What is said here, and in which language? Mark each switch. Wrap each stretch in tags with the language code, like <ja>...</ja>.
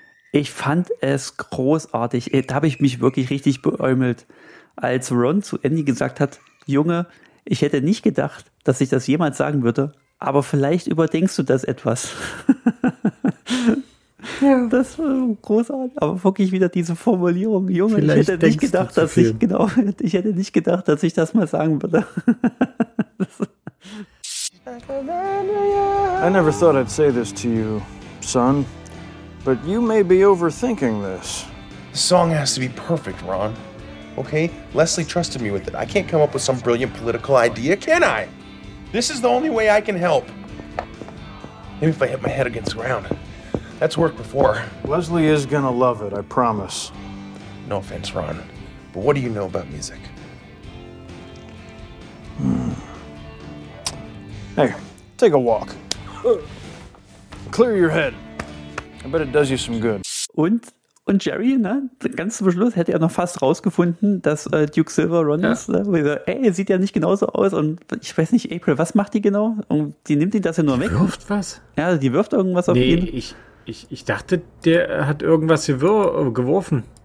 <de>Ich fand es großartig. Da habe ich mich wirklich richtig beäumelt, als Ron zu Andy gesagt hat, Junge, ich hätte nicht gedacht, dass ich das jemals sagen würde, aber vielleicht überdenkst du das etwas. Das war großartig, aber wirklich wieder diese Formulierung, Junge, ich hätte nicht gedacht, dass ich das mal sagen würde.</de> <en>I never thought I'd say this to you, son, but you may be overthinking this. The song has to be perfect, Ron. Okay, Leslie trusted me with it. I can't come up with some brilliant political idea, can I? This is the only way I can help. Maybe if I hit my head against the ground. That's worked before. Leslie is gonna love it, I promise. No offense, Ron, but what do you know about music? Hey, take a walk. Clear your head. I bet it does you some good.</en> <de>Und Jerry, ne? Ganz zum Schluss hätte er noch fast rausgefunden, dass Duke Silver Ron ist. Ne? So, ey, sieht ja nicht genauso aus. Und ich weiß nicht, April, was macht die genau? Und die nimmt ihn das ja nur weg. Wirft was? Ja, die wirft irgendwas auf ihn. Ich dachte, der hat irgendwas hier geworfen.</de>